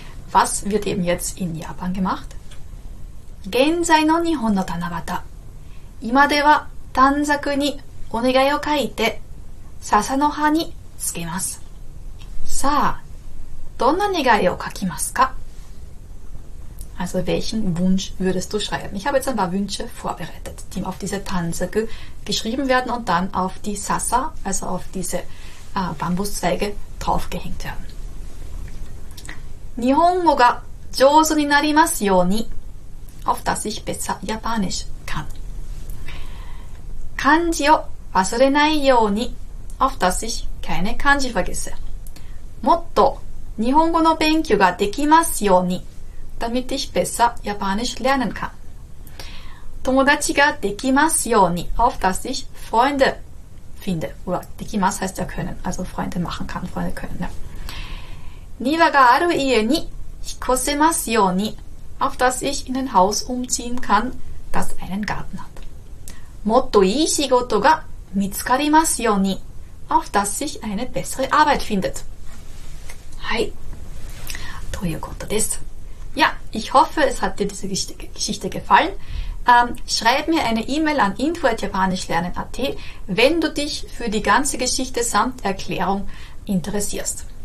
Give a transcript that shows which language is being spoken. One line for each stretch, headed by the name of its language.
German: Was wird eben jetzt in Japan gemacht?
Japanese: 現在の日本の七夕、今では短冊にお願いを書いて笹の葉につけます。さあ、どんな願いを書きますか?
German: Also, welchen Wunsch würdest du schreiben? Ich habe jetzt ein paar Wünsche vorbereitet, die auf diese Tansöcke geschrieben werden und dann auf die Sasa, also auf diese Bambuszweige, draufgehängt werden.
Japanese: 日本語が上手になりますように,
German: auf dass ich besser Japanisch kann.
Japanese: 漢字を忘れないように,
German: auf dass ich keine Kanji vergesse.
Japanese: もっと日本語の勉強ができますように。
German: Damit ich besser Japanisch lernen kann.
Japanese: 友達ができますように。
German: Auf dass ich Freunde finde. Oder
Japanese: できます
German: heißt ja können. Also Freunde machen kann, Freunde können. Ja.
Japanese: 庭がある家に引っ越せますように。
German: Auf dass ich in ein Haus umziehen kann, das einen Garten hat.
Japanese: もっといい仕事が見つかりますように。
German: Auf dass ich eine bessere Arbeit findet.
Japanese: はい、ということです。
German: Ja, ich hoffe, es hat dir diese Geschichte gefallen. Schreib mir eine E-Mail an info@japanischlernen.at, wenn du dich für die ganze Geschichte samt Erklärung interessierst.